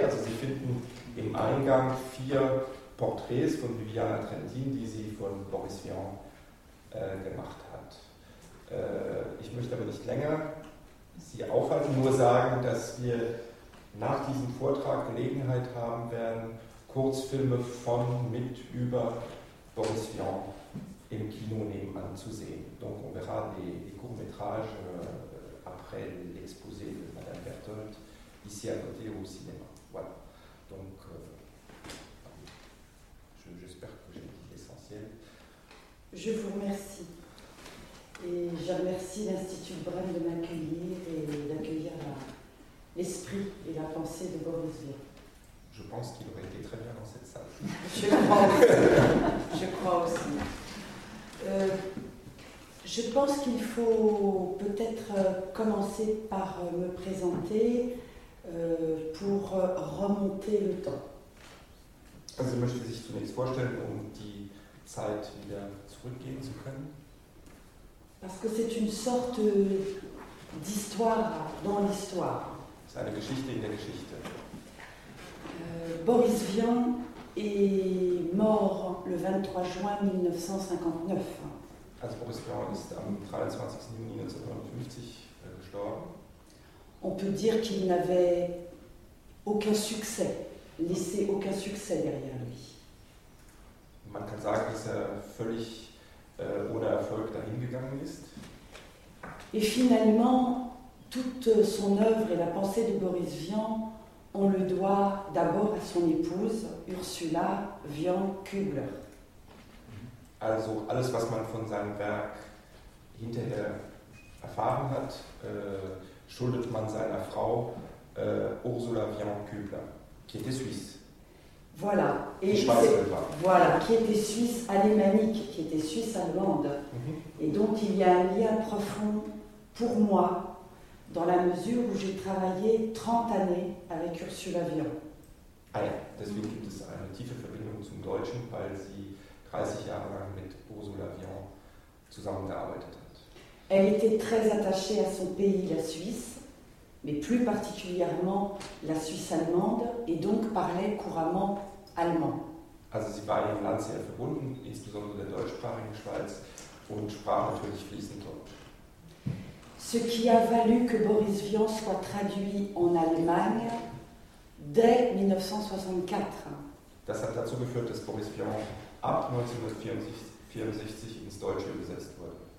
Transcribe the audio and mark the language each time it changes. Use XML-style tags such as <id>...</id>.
<de>Also, sie finden im Eingang 4 Porträts von Viviane Atlantin, die sie von Boris Vian gemacht hat. Ich möchte aber nicht länger Sie aufhalten, nur sagen, dass wir nach diesem Vortrag Gelegenheit haben werden, Kurzfilme von, mit, über Boris Vian im Kino nebenan zu sehen.</de> <fr>Donc on verra les courts-métrages après l'exposé de Madame Berthold ici à côté au cinéma. Voilà. Donc, j'espère que j'ai dit l'essentiel. Je vous remercie et je remercie l'Institut Brehm de m'accueillir et d'accueillir l'esprit et la pensée de Boris Vian. Je pense qu'il aurait été très bien dans cette salle. Je crois aussi. Je crois aussi. Je pense qu'il faut peut-être commencer par me présenter pour remonter le temps.</fr> <de>Also möchte sich zunächst vorstellen, um die Zeit wieder zurückgehen zu können.</de> <fr>Parce que c'est une sorte d'histoire dans l'histoire. C'est une</fr> <de>Geschichte in der Geschichte.</de> <fr>Boris Vian est mort le 23 juin 1959.</fr> <de>Also Boris Vian ist am 23. Juni 1959 gestorben.</de> <fr>On peut dire qu'il n'avait aucun succès, laissé aucun succès derrière lui.</fr> <de>Man kann sagen, dass völlig ohne Erfolg dahin gegangen ist.</de> <fr>Et finalement, toute son œuvre et la pensée de Boris Vian, on le doit d'abord à son épouse, Ursula Vian Kübler.</fr> <de>Also alles, was man von seinem Werk hinterher erfahren hat, schuldet man seiner Frau Ursula Vian Kübler,</de> <fr>qui était suisse. Voilà, et qui était suisse alémanique, qui était suisse allemande. Mm-hmm. Et donc il y a un lien profond pour moi, dans la mesure où j'ai travaillé 30 années avec Ursula Vian.</fr> <de>Ah ja, deswegen gibt es eine tiefe Verbindung zum Deutschen, weil sie 30 Jahre lang mit Ursula Vian zusammengearbeitet hat.</de> <fr>Elle était très attachée à son pays, la Suisse, mais plus particulièrement la Suisse allemande, et donc parlait couramment allemand.</fr> <de>Also sie war ihrem Land sehr verbunden, insbesondere der deutschsprachigen Schweiz, und sprach natürlich fließend Deutsch.</de> <fr>Ce qui a valu que Boris Vian soit traduit en Allemagne dès 1964.</fr> <de>Das hat dazu geführt, dass Boris Vian ab 1964 ins Deutsche übersetzt wurde.</de>